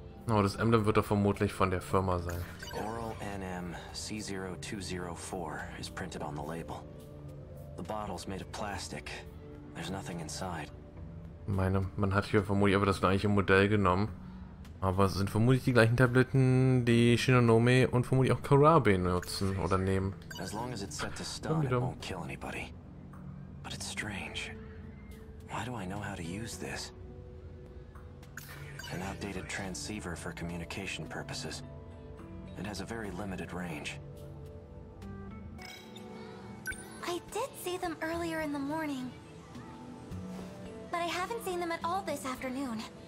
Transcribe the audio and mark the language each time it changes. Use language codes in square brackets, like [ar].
[de] Oh, das Emblem wird doch vermutlich von der Firma sein. [en] Oral NM C0204 is printed on the label. The bottle's made of plastic. There's nothing inside. [de] Meine, man hat hier vermutlich aber das gleiche Modell genommen. Aber es sind vermutlich die gleichen Tabletten, die Shinonome und vermutlich auch Karabe nutzen oder nehmen. [en] As long as it's set to stun, it won't kill anybody. But it's strange. Why do I know how to use this? An outdated transceiver for communication purposes. It has a very limited range. I did see them earlier in the morning. But I haven't seen them at all this afternoon.